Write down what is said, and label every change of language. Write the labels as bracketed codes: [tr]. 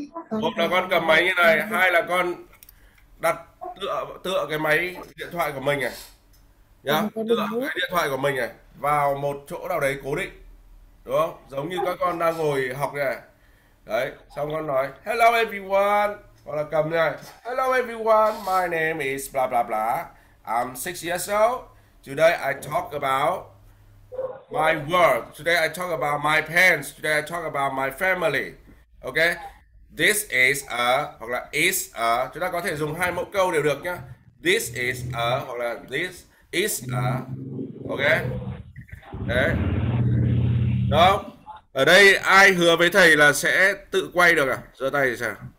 [vi] Một là con cầm máy như này, hai là con đặt tựa cái máy điện thoại của mình này. Nhá, tựa cái điện thoại của mình này vào một chỗ nào đấy cố định. Đúng không? Giống như các con đang ngồi học này. Đấy, xong con nói [en] hello everyone. [vi] Con là cầm này. [en] Hello everyone, my name is blah blah blah. I'm 6 years old. Today I talk about my work. Today I talk about my parents. Today I talk about my family. Okay? This is a [vi] hoặc là [en] is a. [vi] Chúng ta có thể dùng hai mẫu câu đều được nhá. This is a hoặc là this is a. Okay? Đấy. Đó. Ở đây ai hứa với thầy là sẽ tự quay được à? Giơ tay thì sao?